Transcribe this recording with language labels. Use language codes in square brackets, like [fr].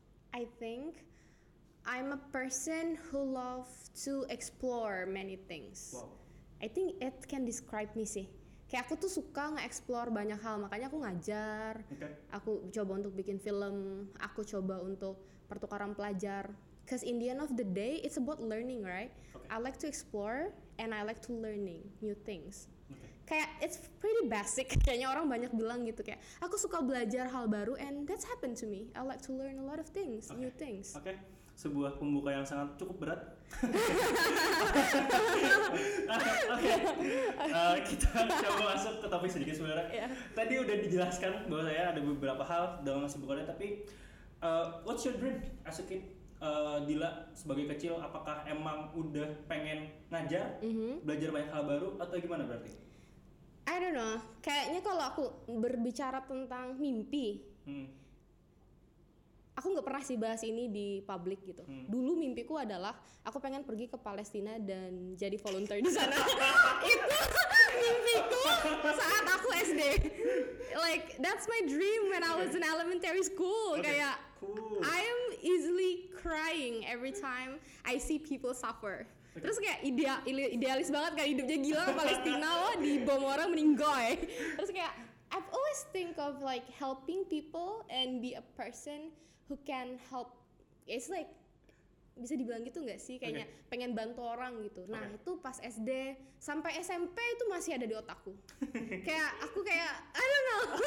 [en] I think I'm a person who love to explore many things. Wow. I think it can describe me sih. [id] Kayak aku tuh suka nge-explore banyak hal, makanya aku ngajar. [en] Okay. [id] Aku coba untuk bikin film, aku coba untuk pertukaran pelajar. [en] Cause in the end of the day, it's about learning, right? Okay. I like to explore and I like to learning new things. Okay. [id] Kayak [en] it's pretty basic, [id] kayaknya orang banyak bilang gitu kayak aku suka belajar hal baru [en] and that's happened to me. I like to learn a lot of things, okay. New things. Okay. [id] Sebuah pembuka yang sangat cukup berat. Okay. Kita coba masuk ke topik sedikit sebenarnya. [en] Yeah. [id] Tadi udah dijelaskan bahwa saya ada beberapa hal dalam kesibukannya, tapi [en] what's your dream as a kid? [id] Dila sebagai kecil, apakah emang udah pengen ngajar, belajar banyak hal baru, atau gimana berarti? [en] I don't know, [id] kayaknya kalau aku berbicara tentang mimpi, aku gak pernah sih bahas ini di publik gitu. Dulu mimpiku adalah aku pengen pergi ke Palestina dan jadi volunteer di sana. Itu mimpiku saat aku SD. [en] Like that's my dream when I was in elementary school. Okay. [id] Kayak [en] cool. I am easily crying every time I see people suffer. Okay. [id] Terus kayak idealis banget kayak hidupnya gila Palestina loh di bom orang meninggal. Terus kayak [en] I've always think of like helping people and be a person who can help. It's like [id] bisa dibilang gitu enggak sih kayaknya [en] okay. [id] Pengen bantu orang gitu. Nah, [en] okay. [id] Itu pas SD sampai SMP itu masih ada di otakku. Kayak aku kayak [en] I don't know.